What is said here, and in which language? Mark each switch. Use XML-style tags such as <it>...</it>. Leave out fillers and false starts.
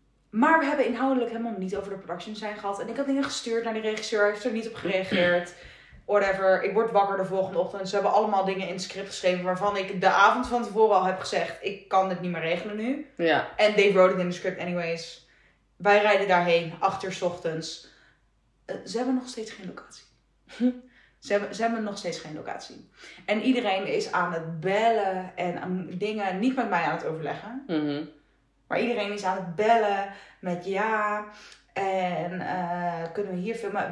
<nl>Maar we hebben inhoudelijk helemaal niet over de production design gehad. En ik had dingen gestuurd naar die regisseur, heeft er niet op gereageerd. Whatever, ik word wakker de volgende ochtend. Ze hebben allemaal dingen in het script geschreven waarvan ik de avond van tevoren al heb gezegd, ik kan het niet meer regelen nu. Ja.</nl> <en>En they wrote it in the script anyways.</en> <nl>Wij rijden daarheen, 8:00 ochtends. Ze hebben nog steeds geen locatie. Ze hebben nog steeds geen locatie. En iedereen is aan het bellen en aan dingen, niet met mij aan het overleggen. Mm-hmm. Maar iedereen is aan het bellen met, ja, en kunnen we hier filmen?</nl>